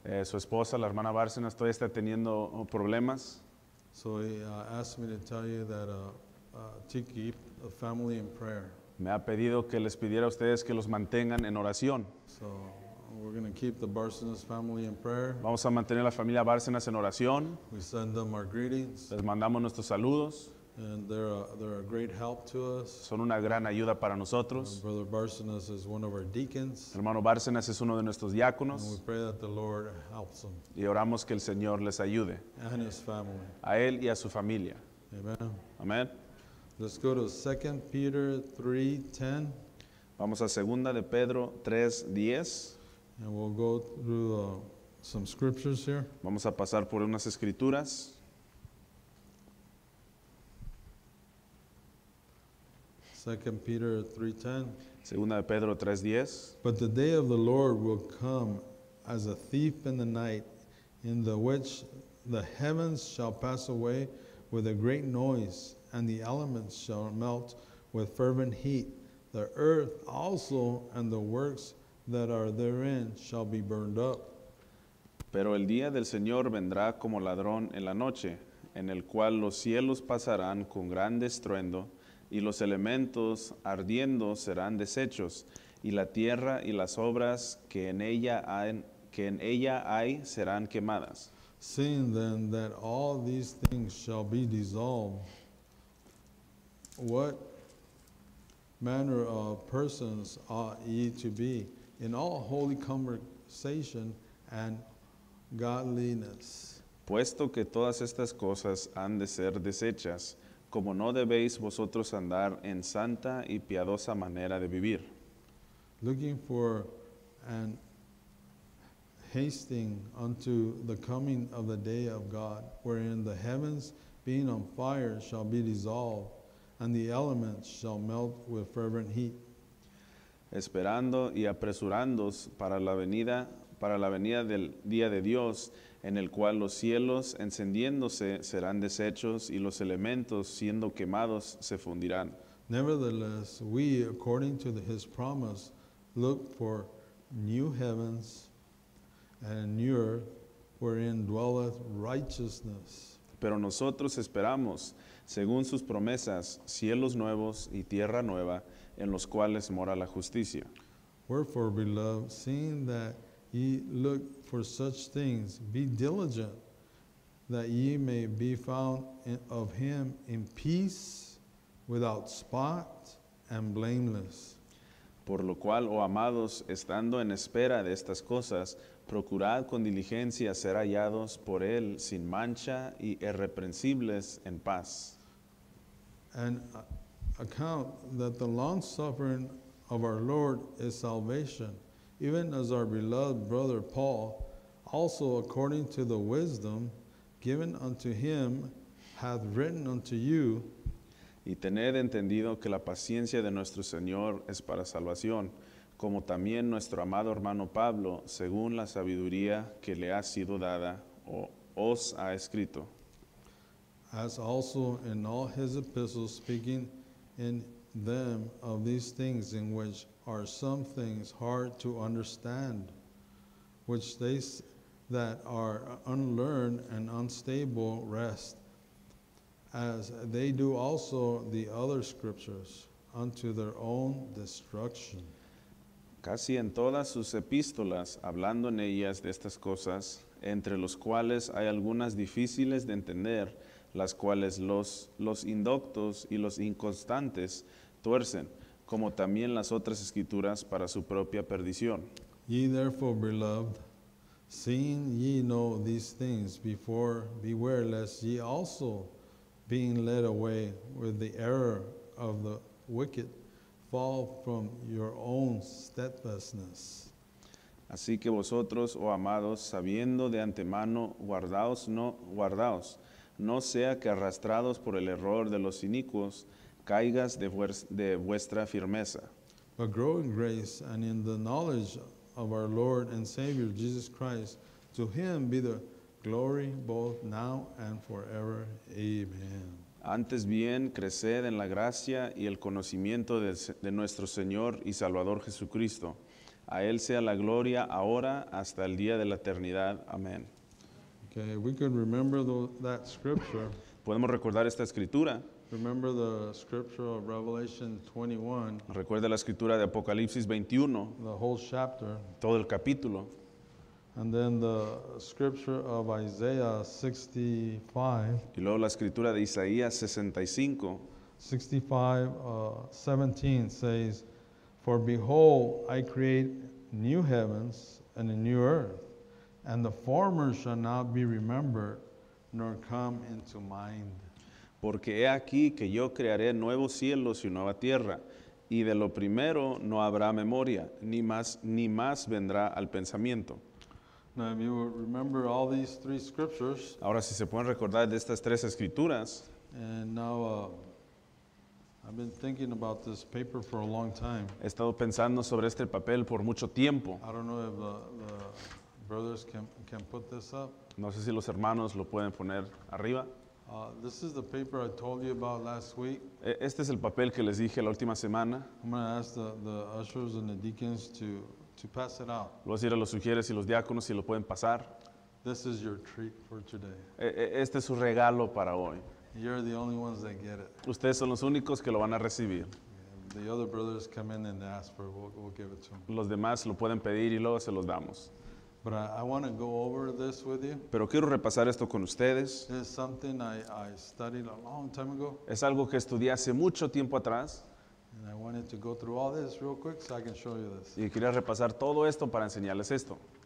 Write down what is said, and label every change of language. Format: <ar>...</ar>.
<es>Su esposa, la hermana Bárcenas, todavía está teniendo problemas.</es> <en>So he asked me to tell you that to keep the family in prayer.</en> <es>Me ha pedido que les pidiera a ustedes que los mantengan en oración.</es> <en>So we're going to keep the Bárcenas family in prayer.</en> <es>Vamos a mantener la familia Bárcenas en oración.</es> <en>We send them our greetings.</en> <es>Les mandamos nuestros saludos.</es> <en>And they're a great help to us.</en> <es>Son una gran ayuda para nosotros.</es> <en>Brother Bárcenas is one of our deacons.</en> <es>Hermano Bárcenas es uno de nuestros diáconos.</es> <en>And we pray that the Lord helps them.</en> <es>Y oramos que el Señor les ayude.</es> <en>And his family.</en> <es>A él y a su familia.</es> <en>Amen.</en> <es>Amen.</es> <en>Let's go to 2 Peter 3:10.</en> <es>Vamos a 2 de Pedro 3:10.</es> <en>And we'll go through some scriptures here.</en> <es>Vamos a pasar por unas escrituras.</es> <en>Second Peter 3:10.</en> <es>Segunda de Pedro 3:10.</es> <en>But the day of the Lord will come as a thief in the night, in the which the heavens shall pass away with a great noise, and the elements shall melt with fervent heat. The earth also and the works that are therein shall be burned up.</en> <es>Pero el día del Señor vendrá como ladrón en la noche, en el cual los cielos pasarán con gran estruendo, y los elementos ardiendo serán deshechos, y la tierra y las obras que en ella hay serán quemadas.</es> <en>Seeing then that all these things shall be dissolved, what manner of persons ought ye to be in all holy conversation and godliness.</en> <es>Puesto que todas estas cosas han de ser desechas, como no debéis vosotros andar en santa y piadosa manera de vivir.</es> <en>Looking for and hasting unto the coming of the day of God, wherein the heavens being on fire shall be dissolved, and the elements shall melt with fervent heat.</en> <es>Esperando y apresurándoos para la venida del día de Dios, en el cual los cielos encendiéndose serán deshechos y los elementos siendo quemados se fundirán.</es> <en>Nevertheless, we, according to his promise, look for new heavens and new earth wherein dwelleth righteousness.</en> <es>Pero nosotros esperamos, según sus promesas, cielos nuevos y tierra nueva, en los cuales mora la justicia.</es> <en>Wherefore, beloved, seeing that ye look for such things, be diligent that ye may be found of him in peace, without spot and blameless.</en> <es>Por lo cual, oh amados, estando en espera de estas cosas, procurad con diligencia ser hallados por él sin mancha y irreprensibles en paz.</es> <en>And account that the long suffering of our Lord is salvation, even as our beloved brother Paul, also according to the wisdom given unto him, hath written unto you.</en> <es>Y tened entendido que la paciencia de nuestro Señor es para salvación, como también nuestro amado hermano Pablo, según la sabiduría que le ha sido dada, o os ha escrito.</es> <en>As also in all his epistles, speaking in them of these things, in which are some things hard to understand, which they that are unlearned and unstable rest, as they do also the other scriptures, unto their own destruction.</en> <es>Casi en todas sus epístolas, hablando en ellas de estas cosas, entre los cuales hay algunas difíciles de entender, las cuales los indoctos y los inconstantes tuercen, como también las otras escrituras para su propia perdición.</es> <en>Ye therefore, beloved, seeing ye know these things before, beware lest ye also, being led away with the error of the wicked, fall from your own steadfastness.</en> <es>Así que vosotros, oh amados, sabiendo de antemano, guardaos, no sea que arrastrados por el error de los inicuos, caigas de vuestra firmeza.</es> <en>But grow in grace and in the knowledge of our Lord and Savior Jesus Christ. To him be the glory both now and forever. Amen.</en> <es>Antes bien, creced en la gracia y el conocimiento de nuestro Señor y Salvador Jesucristo. A él sea la gloria ahora hasta el día de la eternidad. Amén.</es> <en>Okay, we can remember that scripture.</en> <es>Podemos recordar esta escritura.</es> <en>Remember the scripture of Revelation 21.</en> <es>Recuerda la escritura de Apocalipsis 21.</es> <en>The whole chapter.</en> <es>Todo el capítulo.</es> <en>And then the scripture of Isaiah 65.</en> <es>Y luego la escritura de Isaías 65.</es> <en>65:17 says, "For behold, I create new heavens and a new earth, and the former shall not be remembered, nor come into mind."</en> <es>Porque he aquí que yo crearé nuevos cielos y nueva tierra, y de lo primero no habrá memoria, ni más vendrá al pensamiento.</es> <en>Now, if you remember all these three scriptures,</en> <es>ahora si se pueden recordar de estas tres escrituras.</es> <en>And now, I've been thinking about this paper for a long time.</en> <es>He estado pensando sobre este papel por mucho tiempo.</es> <en>I don't know if the brothers can put this up.</en> <es>No sé si los hermanos lo pueden poner arriba.</es> <en>This is the paper I told you about last week.</en> <es>Este es el papel que les dije la última semana.</es> <en>I'm going to ask the ushers and the deacons to pass it out.</en> <es>Lo voy a decir a los sugieres y los diáconos si lo pueden pasar.</es> <en>This is your treat for today.</en> <es>Este es su regalo para hoy.</es> <en>You're the only ones that get it.</en> <es>Ustedes son los únicos que lo van a recibir.</es> <en>The other brothers come in and ask for it. We'll give it to them.</en> <es>Los demás lo pueden pedir y luego se los damos.</es> <en>But I want to go over this with you.</en> <es>Pero quiero repasar esto con ustedes.</es> <en>It's something I studied a long time ago.</en> <es>Es algo que estudié hace mucho tiempo atrás.</es> <en>And I wanted to go through all this real quick so I can show you this.</en> <es>Y quería repasar todo esto para enseñarles esto.</es>